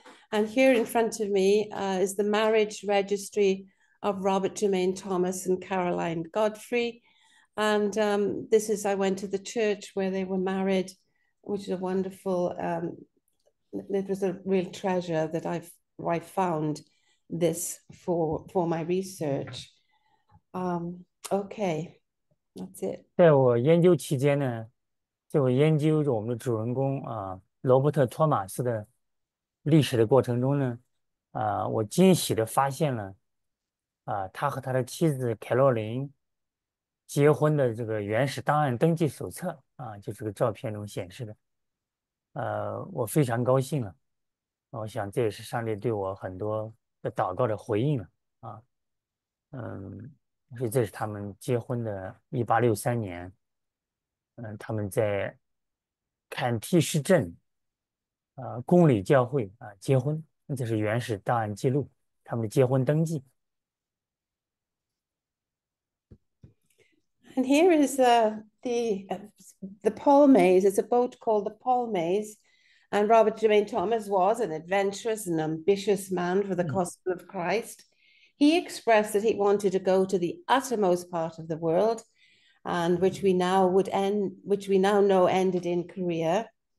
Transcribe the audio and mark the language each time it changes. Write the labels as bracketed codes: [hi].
[en] And here in front of me is the marriage registry of Robert Germain Thomas and Caroline Godfrey. And this is, I went to the church where they were married, which is a wonderful, it was a real treasure that I found this for my research. Okay, that's it. [zh] 在我研究期间呢，就研究着我们的主人公罗伯特·托马斯的历史的过程中呢，我惊喜地发现了他和他的妻子凯洛琳结婚的这个原始档案登记手册就这个照片中显示的，我非常高兴了，我想这也是上帝对我很多的祷告的回应所以这是他们结婚的1863年，他们在坎蒂什镇，公理教会结婚，这是原始档案记录，他们的结婚登记。 [en] And here is the Palmes. It's a boat called the Palmes, And Robert Jermaine Thomas was an adventurous and ambitious man for the gospel of Christ. He expressed that he wanted to go to the uttermost part of the world, and which we now know ended in Korea.